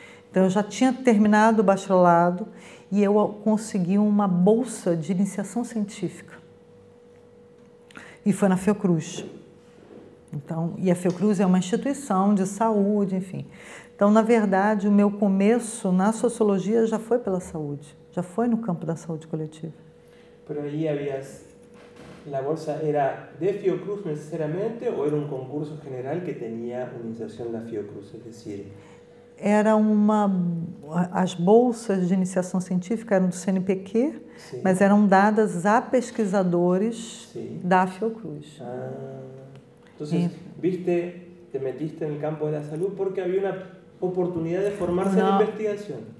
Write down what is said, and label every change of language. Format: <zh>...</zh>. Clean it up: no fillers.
<pt>Então, eu já tinha terminado o bacharelado e eu consegui uma bolsa de iniciação científica. E foi na Fiocruz. Então, e a Fiocruz é uma instituição de saúde, enfim. Então, na verdade, o meu começo na sociologia já foi pela saúde, já foi no campo da saúde coletiva.</pt> <es>Pero ahí habías, la bolsa era de Fiocruz necesariamente o era un concurso general que tenía una iniciación de Fiocruz, es decir.</es> <pt>Era uma, as bolsas de iniciação científica eram do CNPq, sim, mas eram dadas a pesquisadores, sim, da Fiocruz. Ah, então,</pt> <es>viste, te metiste</es> <pt>no campo da saúde porque havia uma oportunidade de formar-se na investigação.</pt>